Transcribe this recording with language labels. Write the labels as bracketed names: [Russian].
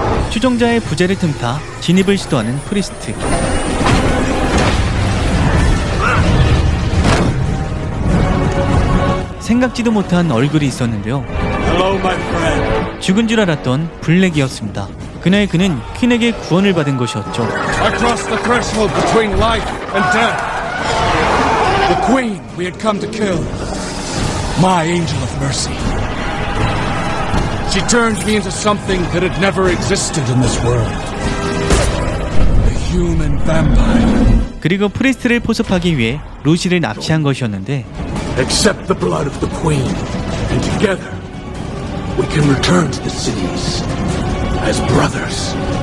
[Korean] 추종자의 부재를 틈타 진입을 시도하는 프리스트. 생각지도 못한 얼굴이 있었는데요. [English] Hello, my friend. [Korean] 죽은 줄 알았던 블랙이었습니다. 그날 그는 퀸에게 구원을 받은 것이었죠. [English] I crossed the threshold between life and death. The queen we had come to kill. My angel of mercy. She turned me into something that had never existed in this world. A human vampire. [Korean] 그리고 프리스트를 포섭하기 위해 루시를 납치한 것이었는데. [English] Accept the blood of the queen, and together we can return to the cities as brothers.